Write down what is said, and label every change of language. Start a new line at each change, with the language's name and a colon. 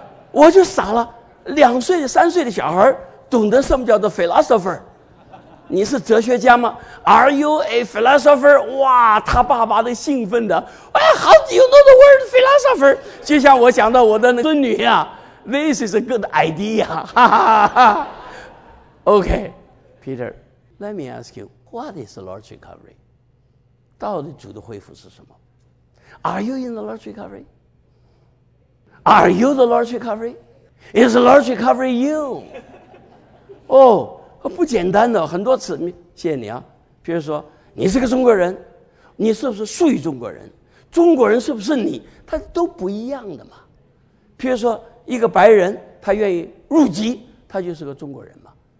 Chinese: 我就傻了，两岁的三岁的小孩懂得什么叫做 philosopher， 你是哲学家吗？
English: Are you a philosopher？
Chinese: 哇，他爸爸的兴奋的，哎，好，
English: you know the word philosopher，
Chinese: 就像我讲到我的孙女啊，
English: This is a good idea，
Chinese: 哈哈哈哈。
English: OK Peter Let me ask you What is the Lord's recovery？
Chinese: 到底主的恢复是什么？
English: Are you in the Lord's recoveryAre you the Lord's recovery? Is the Lord's recovery you?
Chinese: 哦、oh, ，不简单的，很多次，谢谢你啊。比如说，你是个中国人，你是不是属于中国人？中国人是不是你？他都不一样的嘛。比如说，一个白人，他愿意入籍，他就是个中国人嘛。